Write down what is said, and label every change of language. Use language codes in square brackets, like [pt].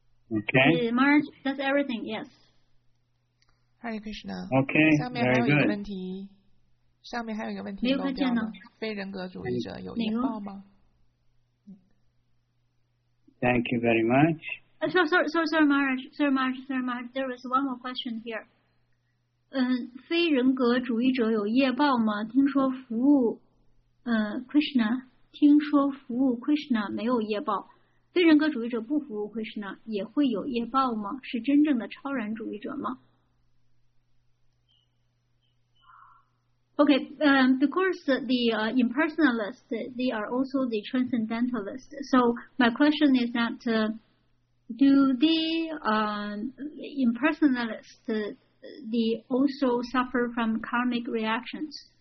[en] Okay. Maharaj, that's everything, yes. Hare Krishna. Okay, very good. [zh] 上面还有一个问题漏掉了，非人格主义者有业报吗？ [en] Thank you very much. Sir Maharaj, there is one more question here. [zh] 非人格主义者有业报吗？听说服务Krishna， 听说服务 Krishna 没有业报，非人格主义者不服务 Krishna 也会有业报吗？是真正的超然主义者吗？ [en] Okay, because the impersonalists, they are also the transcendentalists. So my question is that do the impersonalists, they also suffer from karmic reactions?